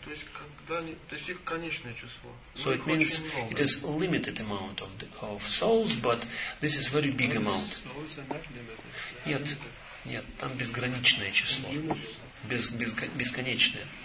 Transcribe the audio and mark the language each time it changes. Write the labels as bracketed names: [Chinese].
[Russian] То есть когда, то есть их конечное число. [English] So it means it is limited amount of the, of souls, but this is very big amount. [Russian] Нет, нет, там безграничное число, бесконечное.